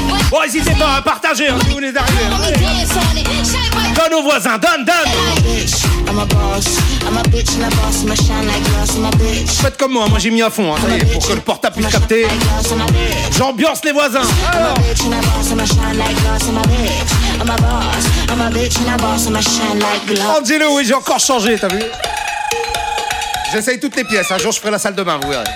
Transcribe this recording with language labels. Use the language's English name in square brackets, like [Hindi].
[French] Bon, n'hésitez pas à partager hein, si vous voulez arriver. Donne aux voisins, donne. [English] I'm a boss, I'm a bitch and I boss, I'ma shine like glass, I'm a bitch. [French] Faites comme moi, j'ai mis à fond, hein, allez, pour que le portable puisse capter. J'ambiance les voisins. Alors. Angelo, oui, j'ai encore changé, t'as vu. J'essaye toutes les pièces, un jour je ferai la salle de bain, vous verrez.